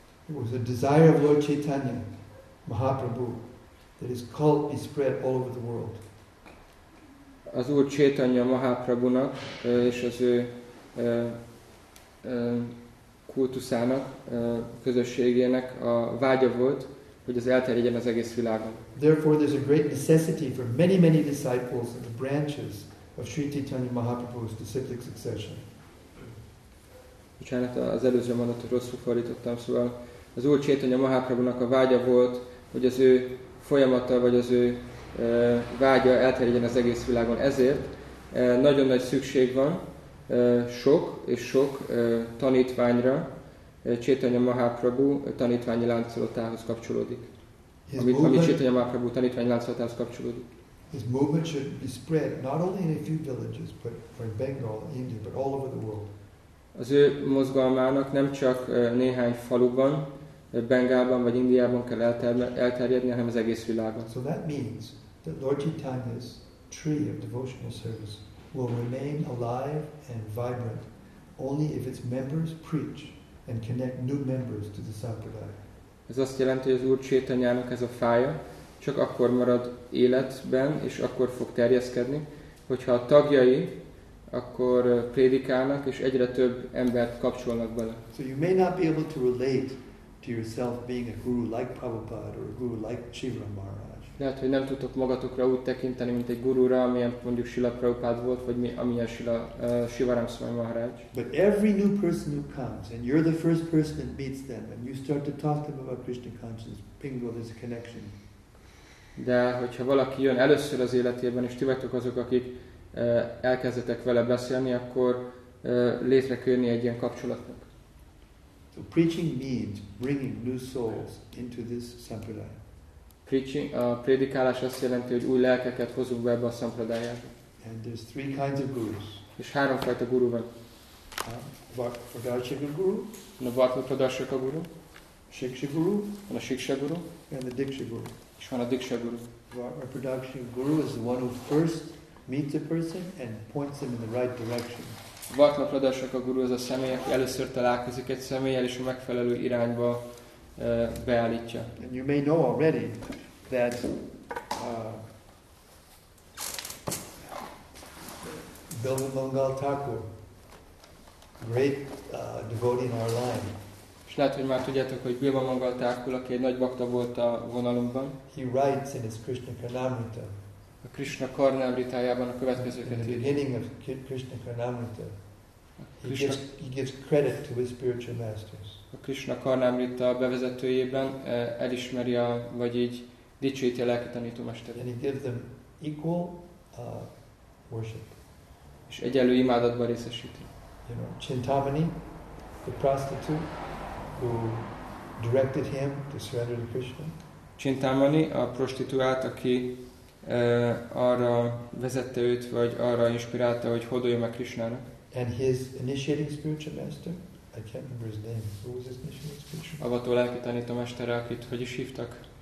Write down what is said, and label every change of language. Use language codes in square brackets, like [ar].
[en] It was a desire of Lord Chaitanya Mahaprabhu that his cult be spread all over the world. [hu] Az Úr Chaitanya Mahaprabhunak és az ő kultuszának, közösségének a vágya volt, hogy az elterjedjen az egész világon. [en] Therefore there's a great necessity for many many disciples in the branches of Sri Chaitanya Mahaprabhu's disciplic succession. [hu] Bocsánat, az előző mondatot rosszul fordítottam, szóval az Úr Chaitanya Mahaprabhunak a vágya volt, hogy az ő folyamata, vagy az ő vágya elterjedjen az egész világon. Ezért nagyon nagy szükség van sok és sok tanítványra Chaitanya Mahaprabhu tanítványi láncolatához kapcsolódik. Ami Chaitanya Mahaprabhu tanítványi láncolatához kapcsolódik. [en] His movement should be spread not only in a few villages, but from Bengal, India, but all over the world. [hu] Az ő mozgalmának nem csak néhány faluban, Bengálban vagy Indiában kell elterjedni, hanem az egész világon. [en] So that means that Lord Chaitanya's tree of devotional service will remain alive and vibrant only if its members preach and connect new members to the sampradaya. [hu] Ez azt jelenti, hogy az Úr Chaitanyának ez a fája csak akkor marad életben, és akkor fog terjeszkedni, hogyha a tagjai akkor prédikálnak, és egyre több embert kapcsolnak bele. [en] So you may not be able to relate to yourself being a guru like Prabhupada or a guru like Shiva Maharaj. [hu] Lehet, hogy nem tudtok magatokra úgy tekinteni, mint egy gurúra, amilyen mondjuk Srila Prabhupada volt, vagy amilyen Srila Sivaram Swami Maharaj. [en] But every new person who comes, and you're the first person that meets them, and you start to talk to them about Krishna consciousness, bingo, there's a connection. [hu] De hogyha valaki jön először az életében, és ti vagytok azok, akik elkezdetek vele beszélni, akkor létre kell jönni egy ilyen kapcsolatnak. [en] So preaching means bringing new souls into this sampradaya. [hu] Preaching, a prédikálás azt jelenti, hogy új lelkeket hozunk be ebbe a szampradájába. [en] And there's three kinds of gurus. [hu] És három fajta guru van. [en] Vartha guru. [hu] A Vartha Pradarshaka guru. [en] Shiksha guru. [hu] A Shiksha guru. [en] And the Diksha guru. [hu] És van a Diksha guru. [en] Vartha guru is the one who first meets a person and points them in the right direction. [hu] Vartha Pradarshaka guru az a személy, aki először találkozik egy személlyel és a megfelelő irányba beállítja. [en] And you may know already that Bilvan Bangal Thakur, great devotee in our line. [hu] Lehet, hogy már tudjátok, hogy Bilvan Bangal Thakur, aki egy nagy bhakta volt a vonalunkban. [en] He writes in his Krishna Karnamrita. [hu] A Krishna Karnamritájában a következőket írja. [en] In the beginning of Krishna Karnamrita, he gives credit to his spiritual masters. [hu] A Krishna Karnamrita bevezetőjében elismeri a, vagy így dicsőíti a lelki tanító mesterét. [en] And he gives them equal worship. [hu] És egyenlő imádatban részesíti. [en] You know, Chintamani, the prostitute, who directed him to surrender to Krishna. [hu] Chintamani, a prostituált, aki arra vezette őt, vagy arra inspirálta, hogy hódoljon meg Krishnának. [en] And his initiating spiritual master, I can't remember his name. Who was his initiating spiritual master? [hu] Avató lelki tanító mestere, akit hogy is hívtak?